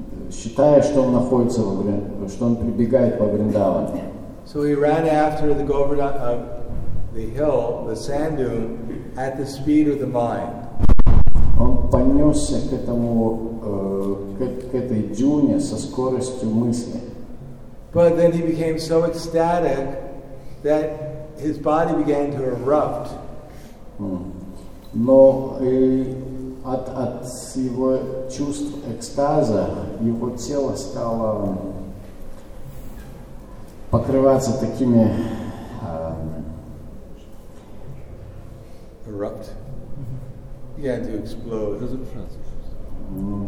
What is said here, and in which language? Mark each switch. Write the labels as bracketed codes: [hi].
[ru] Считая, что он находится во Вриндаване, что он прибегает во Вриндаван. [en] So he ran after the Govardhan of the hill, the sand dune, at the speed of the mind. [ru] Он понесся к этому к этой дюне со скоростью мысли. [en] But then he became so ecstatic that his body began to erupt. [ru] Но от его чувств экстаза его тело стало покрываться такими [en] erupt. Yeah, to explode. Is it translation?